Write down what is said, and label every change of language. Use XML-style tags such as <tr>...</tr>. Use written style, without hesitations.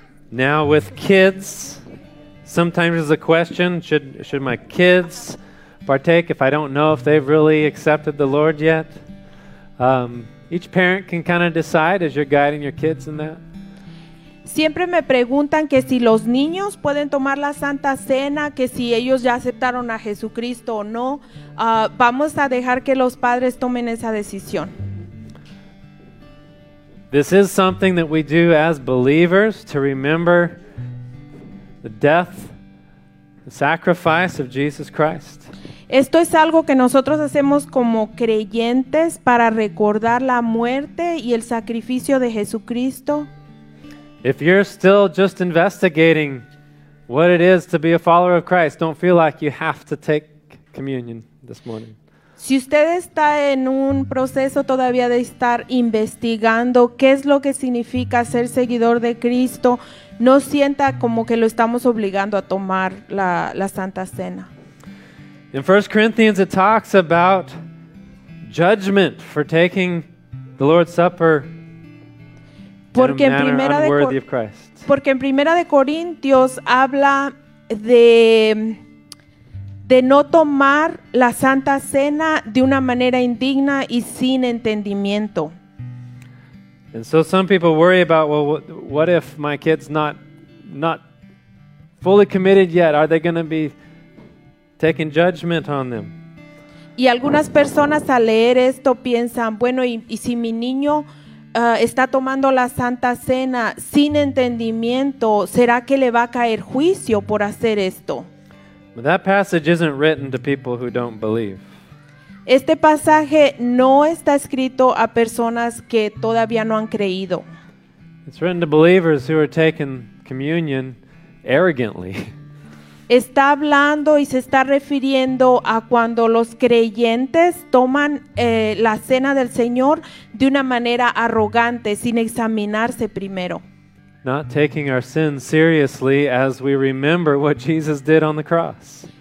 <en>Now with kids, sometimes there's a question, should my kids partake if I don't know if they've really accepted the Lord yet? Each parent can kind of decide as you're guiding your kids in that.</en> <es>Siempre me preguntan que si los niños pueden tomar la Santa Cena, que si ellos ya aceptaron a Jesucristo o no. Vamos a dejar que los padres tomen esa decisión.</es> <en>This is something that we do as believers to remember the death, the sacrifice of Jesus Christ.</en> <es>Esto es algo que nosotros hacemos como creyentes para recordar la muerte y el sacrificio de Jesucristo.</es> <en>If you're still just investigating what it is to be a follower of Christ, don't feel like you have to take communion this morning.</en> <es>Si usted está en un proceso todavía de estar investigando qué es lo que significa ser seguidor de Cristo, no sienta como que lo estamos obligando a tomar la Santa Cena.</es> <en>In 1 Corinthians it talks about judgment for taking the Lord's Supper in a manner unworthy of Christ.</en> <es>Porque en 1 Corintios habla de no tomar la Santa Cena de una manera indigna y sin entendimiento.</es> <en>And so some people worry about, well, what if my kid's not fully committed yet? Are they going to be taking judgment on them?</en> <es>Y algunas personas al leer esto piensan, bueno, y si mi niño está tomando la Santa Cena sin entendimiento, ¿será que le va a caer juicio por hacer esto?</es> <en>But that passage isn't written to people who don't believe.</en> <es>Este pasaje no está escrito a personas que todavía no han creído.</es> <en>It's written to believers who are taking communion arrogantly.</en> <es>Está hablando y se está refiriendo a cuando los creyentes toman la cena del Señor de una manera arrogante, sin examinarse primero.</es> <en>Not taking our sins seriously as we remember what Jesus did on the cross.</en>